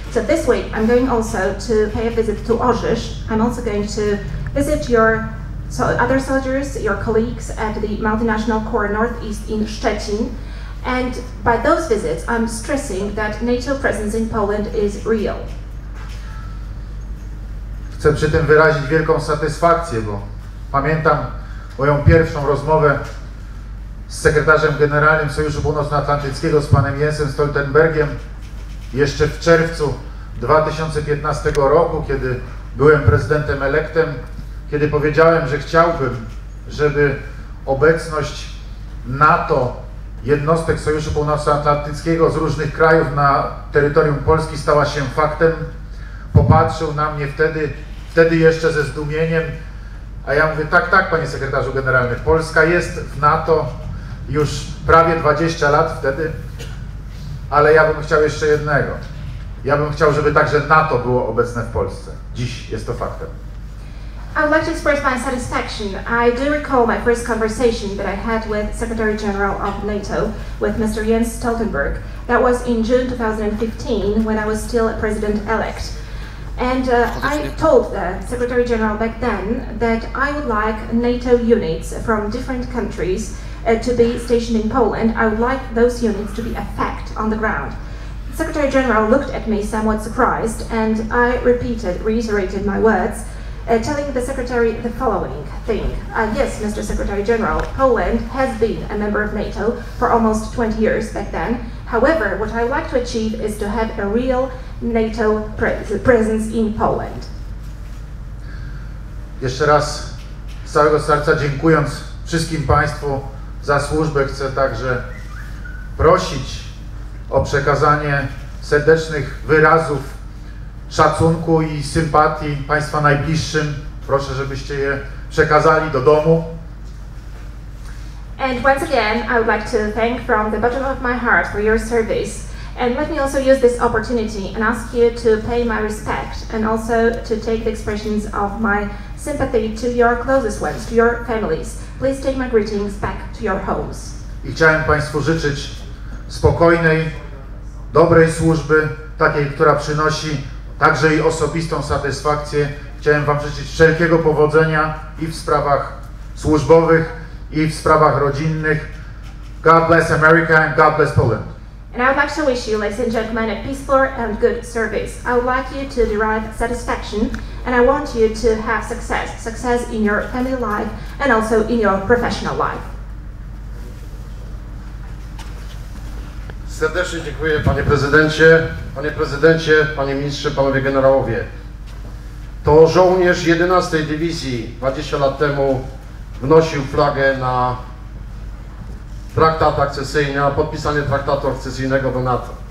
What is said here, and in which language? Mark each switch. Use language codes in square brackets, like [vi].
[en] So this week I'm going also to pay a visit to Orzysz. I'm also going to visit your other soldiers, your colleagues at the Multinational Corps Northeast in Szczecin. And by those visits, I'm stressing that NATO presence in Poland is real. [pl] Chcę przy tym wyrazić wielką satysfakcję, bo pamiętam moją pierwszą rozmowę z sekretarzem generalnym Sojuszu Północnoatlantyckiego, z panem Jensem Stoltenbergiem, jeszcze w czerwcu 2015 roku, kiedy byłem prezydentem elektem, kiedy powiedziałem, że chciałbym, żeby obecność NATO, jednostek Sojuszu Północnoatlantyckiego z różnych krajów na terytorium Polski stała się faktem. Popatrzył na mnie wtedy jeszcze ze zdumieniem, a ja mówię: tak, tak, panie sekretarzu generalny, Polska jest w NATO już prawie 20 lat wtedy, ale ja bym chciał jeszcze jednego. Ja bym chciał, żeby także NATO było obecne w Polsce. Dziś jest to faktem. [en] I would like to express my satisfaction. I do recall my first conversation that I had with Secretary General of NATO, with Mr. Jens Stoltenberg. That was in June 2015, when I was still a president-elect. And I told the Secretary General back then that I would like NATO units from different countries to be stationed in Poland. I would like those units to be a fact on the ground. Secretary General looked at me somewhat surprised, and I reiterated my words, telling the Secretary the following thing. Yes, Mr. Secretary General, Poland has been a member of NATO for almost 20 years back then. However, what I would like to achieve is to have a real NATO presence in Poland. [pl] Jeszcze raz z całego serca dziękując wszystkim Państwu za służbę, chcę także prosić o przekazanie serdecznych wyrazów szacunku i sympatii Państwa najbliższym. Proszę, żebyście je przekazali do domu. [en] And once again, I would like to thank from the bottom of my heart for your service. And let me also use this opportunity and ask you to pay my respect and also to take the expressions of my sympathy to your closest ones, to your families. Please take my greetings back to your homes. [pl] I chciałem Państwu życzyć spokojnej, dobrej służby, takiej, która przynosi także i osobistą satysfakcję. Chciałem Wam życzyć wszelkiego powodzenia i w sprawach służbowych, i w sprawach rodzinnych. [en] God bless America and God bless Poland. And I would like to wish you, ladies and gentlemen, a peaceful and good service. I would like you to derive satisfaction and I want you to have success. Success in your family life and also in your professional life. [pl] Serdecznie dziękuję, panie prezydencie. Panie prezydencie, panie ministrze, panowie generałowie. To żołnierz 11 Dywizji 20 lat temu wnosił flagę na traktat akcesyjny, na podpisanie traktatu akcesyjnego do NATO.